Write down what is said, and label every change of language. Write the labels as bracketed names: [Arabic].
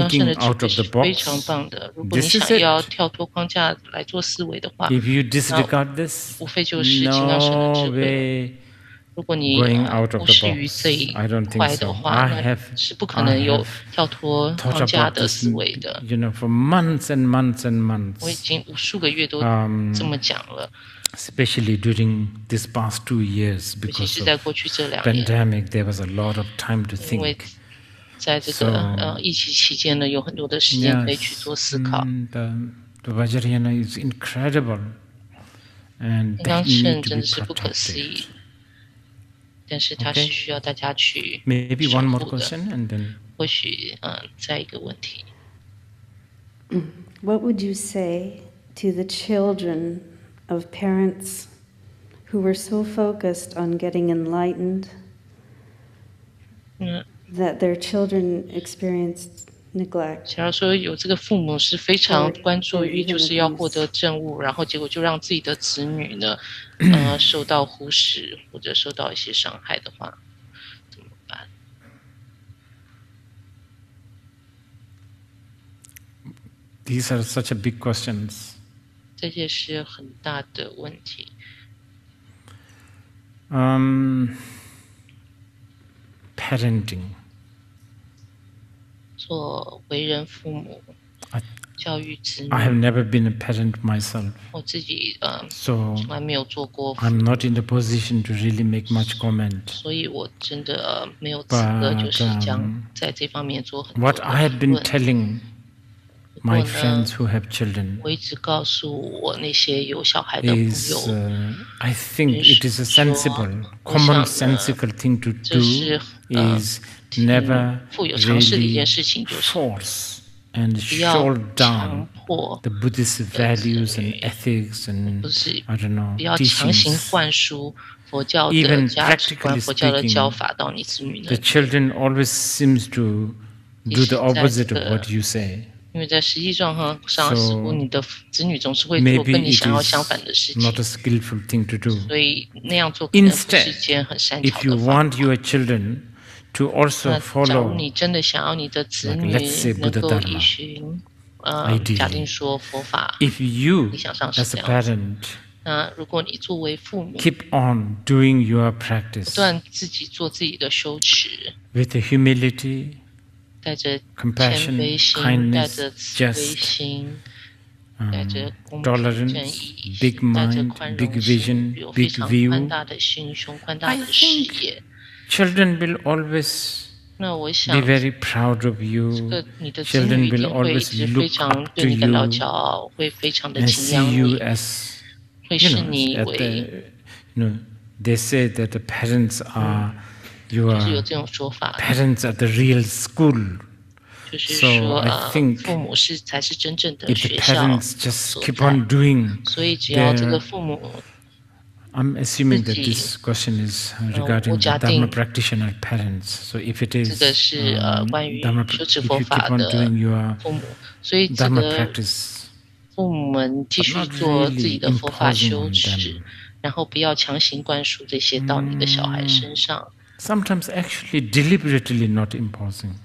[Chinese] 到这样的知识是非常棒的。如果你想要跳脱框架来做思维的话， [English] if you disregard this, [Chinese] 那无非就是听到神的智慧。如果你不是于这一块的话，是不可能有跳脱框架的思维的。 [English] You know, for months and months and months, [Chinese] 我已经无数个月都这么讲了。 [English] Especially during these past 2 years, because of the pandemic, there was a lot of time to think. [Chinese] 因为在这个疫情期间呢，有很多的时间可以去做思考。 [English] The Vajrayana is incredible, and that needs to be protected. [Chinese] 真的是不可思议。但是它是需要大家去守护的。 [English] Maybe one more question, and then [Chinese] 或许再一个问题。 [English] What would you say to the children of parents who were so focused on getting enlightened that their children experienced neglect? [Chinese] 假如说有这个父母是非常关注于就是要获得证悟，然后结果就让自己的子女呢，受到忽视或者受到一些伤害的话，怎么办？ [English] These are such a big questions. [Chinese] 这些是很大的问题。 [English] Parenting， [Chinese] 做为人父母，教育子女。 [English] I have never been a parent myself， [Chinese] 我自己 [English] so [Chinese] 从来没有做过父母。 [English] I'm not in the position to really make much comment， [Chinese] 所以我真的没有资格就是将在这方面做很多的评论。 [English] What I have been telling my friends who have children, [Chinese] 我一直告诉我那些有小孩的朋友 [English] is, I think it is a sensible, commonsensical thing to do is never really force and shoulder down the Buddhist values and ethics and, I don't know, teachings. Even practically speaking, the children always seem to do the opposite of what you say. [Chinese] 因为在实际状况上，似乎你的子女总是会做跟你想要相反的事情。 [English] Not a skillful thing to do. [Chinese] 所以那样做可能不是一件很擅长的方法。 [English] If you want your children to also follow, [Chinese] 那假如你真的想要你的子女能够依循，假定说佛法，理想上是这样。那如果你作为父母 [English] ，keep on doing your practice， [Chinese] 不断自己做自己的修持 [English] ，with humility。 [Chinese] 带着谦卑心， [English] kindness, [Chinese] 带着慈悲心， [English] just, [Chinese] 带着公平正义， [English] big mind, [Chinese] 带着宽容心，有非常宽大的心胸，宽大的视野。 [English] Children will always be very proud of you. Children will always look up to you and see you as, you know, at the, you know, they say that the parents are. [Chinese] 就是有这种说法。 [English] Parents are the real school. [Chinese] 就是说，父母是才是真正的学校。 [English] If the parents just keep on doing, [Chinese] 所以只要这个父母 [English] ，I'm assuming that this question is regarding Dharma practitioner parents. So if it is, [Chinese] 这个是关于修持佛法的父母。所以这个父母们继续做自己的佛法修持，然后不要强行灌输这些到你的小孩身上。 [English] Sometimes actually deliberately not imposing.